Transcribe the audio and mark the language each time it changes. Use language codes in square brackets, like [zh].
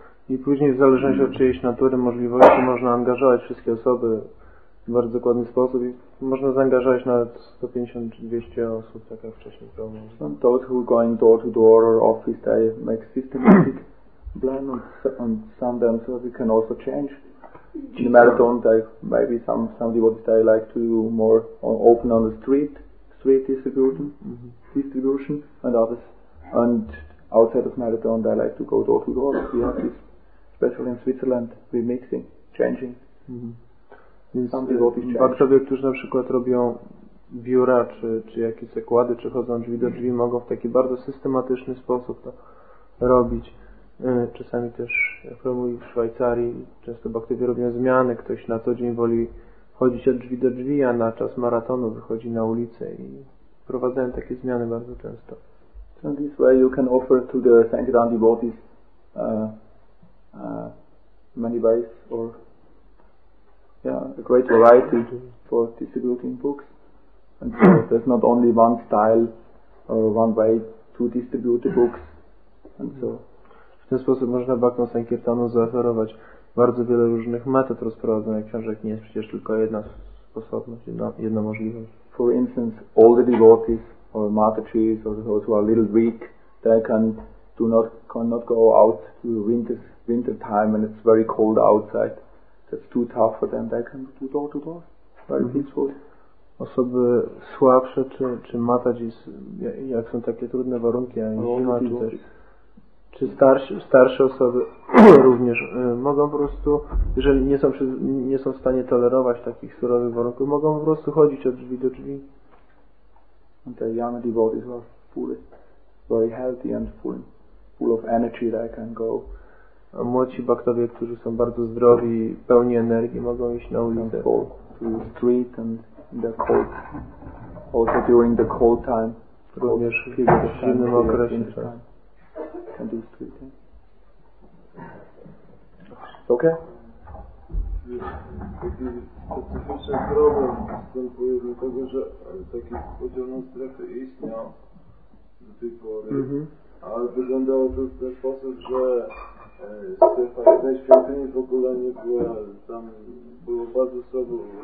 [pl] I później w zależności od czyjejś natury, możliwości, można angażować wszystkie osoby w bardzo dokładny sposób i można zaangażować nawet 150 czy 200 osób, tak jak wcześniej powiedziałem. [en] Those who are going door to door or office, they make systematic plan and sometimes so we can also change. In marathon, maybe some devotees they like to do more open on the street distribution, distribution, and others. And outside of marathon, they like to go door to door. We have this, especially in Switzerland, we mixing, changing. [pl] Baktowie, którzy na przykład robią biura, czy jakieś zakłady, czy chodzą drzwi do drzwi, mogą w taki bardzo systematyczny sposób to robić. Czasami też, jak mówię, w Szwajcarii, często baktowie robią zmiany. Ktoś na co dzień woli chodzić od drzwi do drzwi, a na czas maratonu wychodzi na ulicę i wprowadzają takie zmiany bardzo często. [en] So in this way you can offer to the Sankirtan devotees many ways or a great variety for distributing books. And so there's not only one style or one way to distribute the books. And so [pl] w ten sposób można baktom Sankirtanu zaoferować bardzo wiele różnych metod rozprowadzania książek. Nie jest przecież tylko jedna sposobność, jedna możliwość. [en] For instance, all the devotees or matachis or those who are a little weak, they cannot go out to winter time and it's very cold outside. That's too tough for them. They can do door to door. Very peaceful. [pl] Osoby słabsze czy matadzis, jak są takie trudne warunki, a zima czy coś. Czy starsze osoby również mogą po prostu, jeżeli nie są w stanie tolerować takich surowych warunków, mogą po prostu chodzić od drzwi do drzwi. [en] And the young devotees are fully, very healthy and full of energy that I can go. [pl] A młodsi baktowie, którzy są bardzo zdrowi, pełni energii, mogą iść na ulicę. [en] To the street and the cold. Also during the cold time. [pl] Również kiedy w zimnym okresie. [en] Can do street. Okay. [pl] taki specyficzny problem występuje, dlatego że taki podział na strefy istniał do tej pory, ale wyglądało to w ten sposób, że strefa jednej świątyni w ogóle nie była, tam było bardzo słabo.